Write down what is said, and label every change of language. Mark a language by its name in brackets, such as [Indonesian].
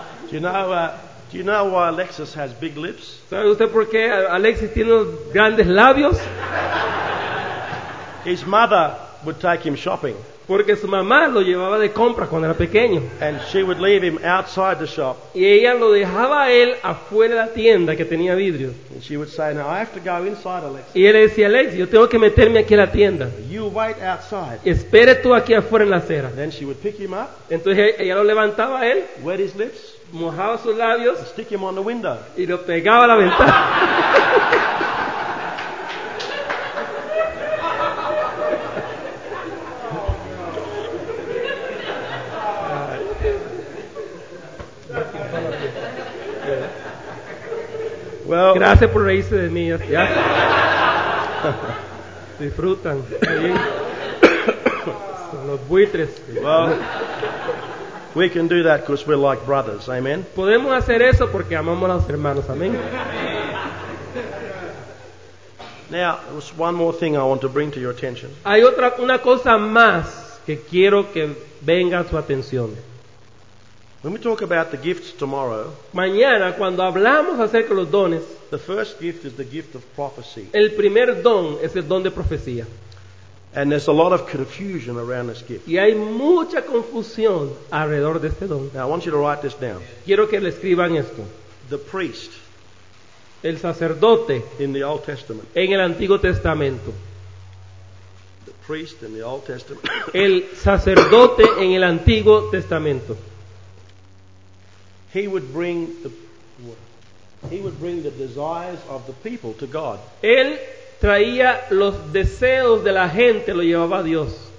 [English] Do you know why Alexis has big lips? [Spanish] ¿Sabe usted por qué Alexis tiene grandes labios? [English] His mother would take him shopping. [Spanish] Porque su mamá lo llevaba de compras cuando era pequeño. [English] And she would leave him outside the shop. [Spanish] Y ella lo dejaba a él afuera de la tienda que tenía vidrio. [English] And she would say, "Now I have to go inside, Alex." [Spanish] Y él le decía, "Alex, yo tengo que meterme aquí a la tienda." [English] "You wait outside." [Spanish] "Espere tú aquí afuera en la acera." [English] Then she would pick him up. [Spanish] Entonces ella lo levantaba a él. [English] Wet his lips. [Spanish] Mojaba sus labios. [English] And stick him on the window. [Spanish] Y lo pegaba a la ventana. [English] Well, [Spanish] gracias por reírse de mí. ¿Ya? Disfrutan. Son los buitres. [English] Well, we can do that because we're like brothers. Amen. [Spanish] Podemos hacer eso porque amamos a los hermanos. Amén. [English] Now, one more thing I want to bring to your attention. [Spanish] Hay otra una cosa más que quiero que venga a su atención. [English] When we talk about the gifts tomorrow, [Spanish] mañana cuando hablamos acerca de los dones, [English] the first gift is the gift of prophecy. [Spanish] El primer don es el don de profecía. [English] And there's a lot of confusion around this gift. [Spanish] Y hay mucha confusión alrededor de este don. [English] Now I want you to write this down. [Spanish] Quiero que le escriban esto. [English] The priest, [Spanish] el sacerdote, [English] in the Old Testament, [Spanish] en el Antiguo Testamento. [English] The priest in the Old Testament. [Spanish] El sacerdote en el Antiguo Testamento. [English] He would bring the desires of the people to God. [Spanish] Él traía los deseos de la gente, lo llevaba a Dios.